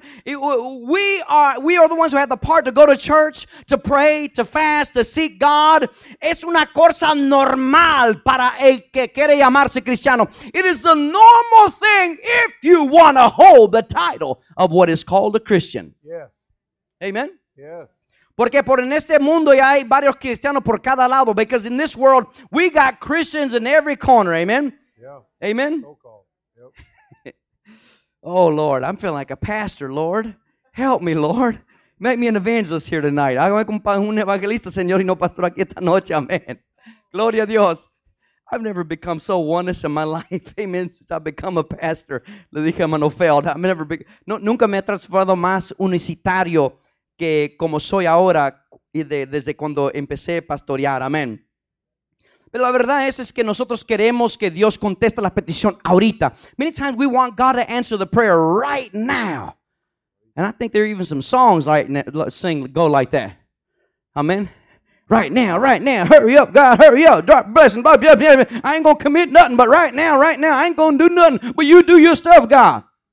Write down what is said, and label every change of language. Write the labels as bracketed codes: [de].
[en] We are the ones who have the part to go to church, to pray, to fast, to seek God. [es] Es una cosa normal para el que quiere llamarse cristiano. [en] It is the normal thing if you want to hold the title of what is called a Christian. Yeah. Amen? Yeah. [es] Porque por en este mundo ya hay varios cristianos por cada lado. [en] Because in this world, we got Christians in every corner. Amen? Yeah. Amen? Yep. Oh, Lord, I'm feeling like a pastor, Lord. Help me, Lord. Make me an evangelist here tonight. [es] Hágame un evangelista, Señor, y no pastor aquí esta noche. Amen. Gloria a Dios. [en] I've never become so oneness in my life, amen, since I've become a pastor. [es] Le dije a Mano Feld, [en] I've never be, [es] no, nunca me he transformado más unicitario que como soy ahora y de, desde cuando empecé a pastorear, amén. Pero la verdad es que nosotros queremos que Dios conteste la petición ahorita. [en] Many times we want God to answer the prayer right now. And I think there are even some songs like sing go like that. Amen. Right now, hurry up, God, hurry up, drop blessing, blah, blah, blah, blah. I ain't gonna commit nothing, but right now, I ain't gonna do nothing, but you do your stuff, God.